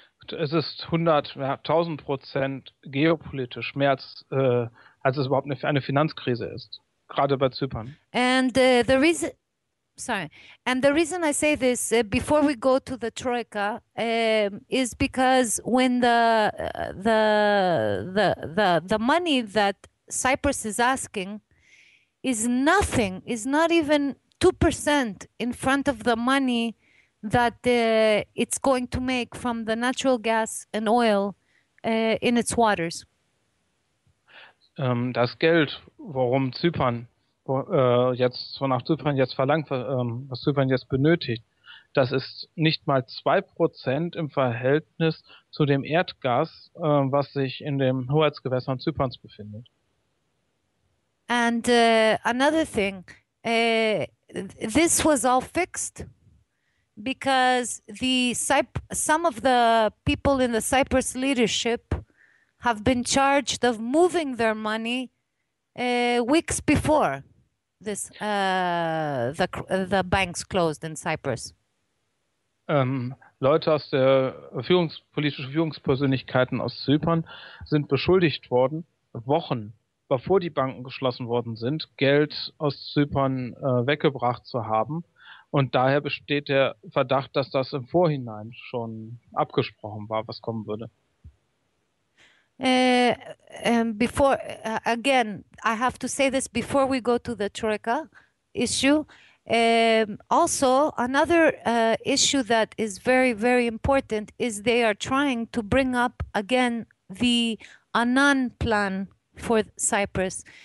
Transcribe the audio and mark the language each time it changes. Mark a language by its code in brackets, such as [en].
[de] Es ist 1,000% geopolitisch, mehr als es überhaupt eine Finanzkrise ist, gerade bei Zypern. [en] And the reason I say this, before we go to the Troika, is because when the money that Cyprus is asking is nothing, is not even 2% in front of the money that it's going to make from the natural gas and oil in its waters. [de] Das Geld, worum Zypern jetzt, wonach Zypern jetzt verlangt, was Zypern jetzt benötigt, das ist nicht mal 2% im Verhältnis zu dem Erdgas, was sich in den Hoheitsgewässern Zyperns befindet. [en] And another thing, this was all fixed because some of the people in the Cyprus leadership have been charged of moving their money weeks before this the banks closed in Cyprus. [de] Leute aus der politischen Führungspersönlichkeiten aus Zypern sind beschuldigt worden, Wochen bevor die Banken geschlossen worden sind, Geld aus Zypern weggebracht zu haben. Und daher besteht der Verdacht, dass das im Vorhinein schon abgesprochen war, was kommen würde. [en] Again, I have to say this before we go to the Troika issue. Also, another issue that is very, very important is they are trying to bring up again the Annan plan for Cyprus.